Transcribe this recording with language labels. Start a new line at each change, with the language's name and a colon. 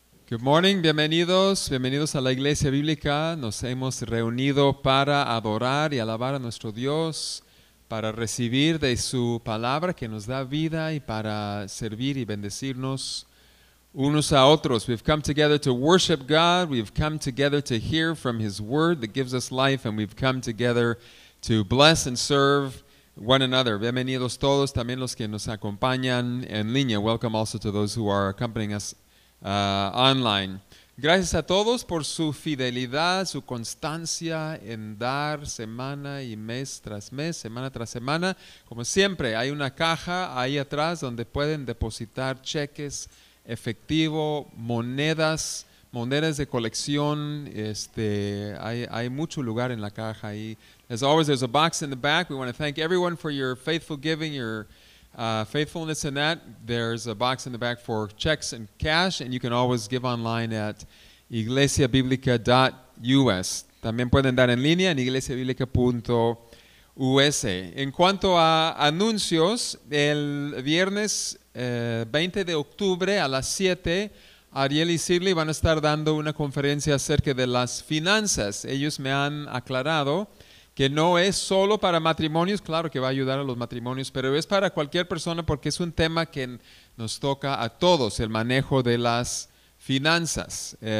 English: Good morning,
Spanish: bienvenidos, bienvenidos a la Iglesia Bíblica. Nos hemos reunido para adorar y alabar a nuestro Dios, para recibir de su palabra que nos da vida y para servir y bendecirnos unos a otros.
English: We've come together to worship God, we've come together to hear from His Word that gives us life, and we've come together to bless and serve one another.
Spanish: Bienvenidos todos, también los que nos acompañan en línea.
English: Welcome also to those who are accompanying us online.
Spanish: Gracias a todos por su fidelidad, su constancia en dar semana y mes, semana tras semana. Como siempre, hay una caja ahí atrás donde pueden depositar cheques, efectivo, monedas, monedas de colección. Hay mucho lugar en la caja ahí.
English: As always, there's a box in the back. We want to thank everyone for your faithful giving, your faithfulness in that. There's a box in the back for checks and cash, and you can always give online at iglesiabiblica.us.
Spanish: También pueden dar en línea en iglesiabiblica.us. En cuanto a anuncios, el viernes 20 de octubre a las 7, Ariel y Sirley van a estar dando una conferencia acerca de las finanzas. Ellos me han aclarado que no es solo para matrimonios, claro que va a ayudar a los matrimonios, pero es para cualquier persona porque es un tema que nos toca a todos, el manejo de las finanzas.